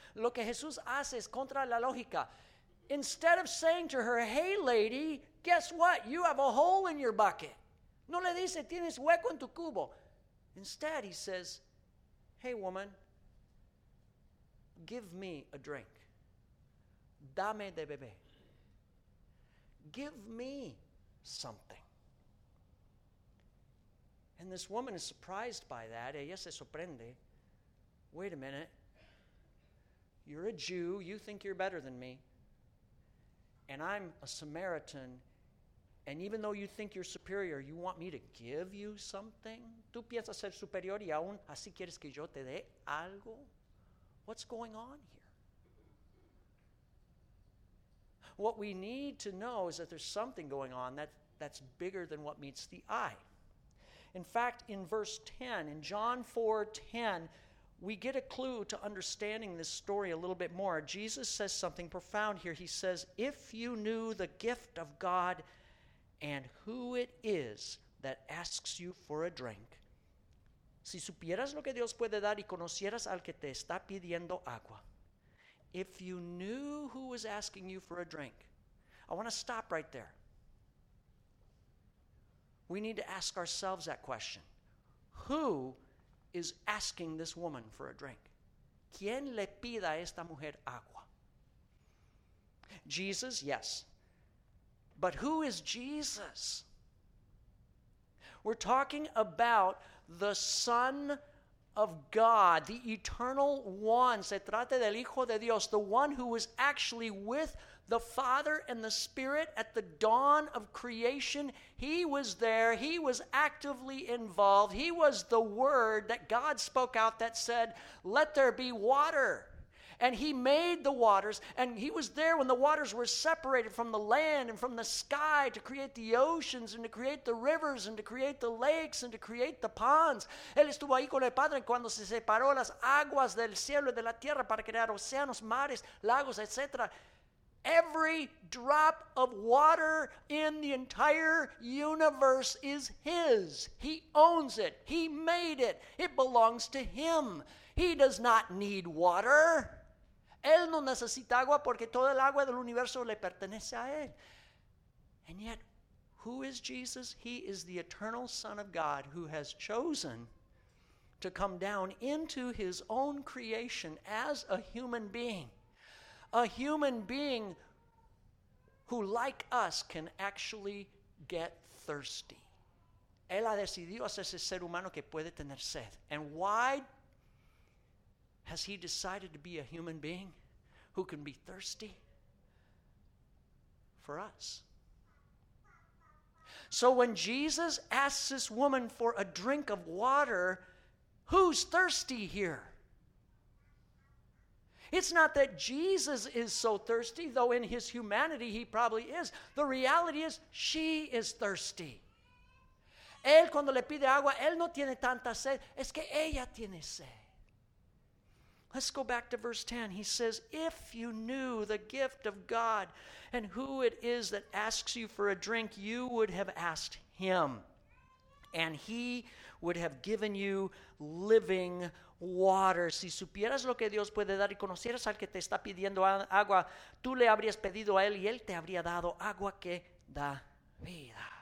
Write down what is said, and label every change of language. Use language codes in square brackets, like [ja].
[es] Lo que Jesús hace es contra la lógica. [en] Instead of saying to her, hey lady, guess what? You have a hole in your bucket. [es] No le dice, tienes hueco en tu cubo. [en] Instead, he says, hey woman, give me a drink. [es] Dame de beber. [en] Give me something. And this woman is surprised by that. [es] Ella se sorprende. [en] Wait a minute. You're a Jew. You think you're better than me. And I'm a Samaritan. And even though you think you're superior, you want me to give you something? [es] Tú piensas ser superior y aún así quieres que yo te dé algo? [en] What's going on here? What we need to know is that there's something going on that's bigger than what meets the eye. In fact, in verse 10, in John 4:10, we get a clue to understanding this story a little bit more. Jesus says something profound here. He says, if you knew the gift of God and who it is that asks you for a drink. Si supieras lo que Dios puede dar y conocieras al que te está pidiendo agua. If you knew who was asking you for a drink, I want to stop right there. We need to ask ourselves that question. Who is asking this woman for a drink? [es] ¿Quién le pida a esta mujer agua? [en] Jesus, yes. But who is Jesus? We're talking about the Son of God, the eternal one, [es] se trata del Hijo de Dios, [en] the one who was actually with the Father and the Spirit at the dawn of creation. He was there. He was actively involved. He was the word that God spoke out that said, let there be water. And he made the waters, and he was there when the waters were separated from the land and from the sky to create the oceans and to create the rivers and to create the lakes and to create the ponds. [es] Él estuvo ahí con el Padre cuando se separó las aguas del cielo y de la tierra para crear océanos, mares, lagos, etc. [en] Every drop of water in the entire universe is his. He owns it. He made it. It belongs to him. He does not need water. [es] Él no necesita agua porque toda el agua del universo le pertenece a él. [en] And yet, who is Jesus? He is the eternal Son of God who has chosen to come down into his own creation as a human being. A human being who, like us, can actually get thirsty. [es] Él ha decidido hacerse ser humano que puede tener sed. [en] And why has he decided to be a human being? Who can be thirsty for us. So when Jesus asks this woman for a drink of water, who's thirsty here? It's not that Jesus is so thirsty, though in his humanity he probably is. The reality is she is thirsty. [es] Él cuando le pide agua, él no tiene tanta sed, es que ella tiene sed. [en] Let's go back to verse 10. He says, if you knew the gift of God and who it is that asks you for a drink, you would have asked him, and he would have given you living water. [es] Si supieras lo que Dios puede dar y conocieras al que te está pidiendo agua, tú le habrías pedido a él y él te habría dado agua que da vida.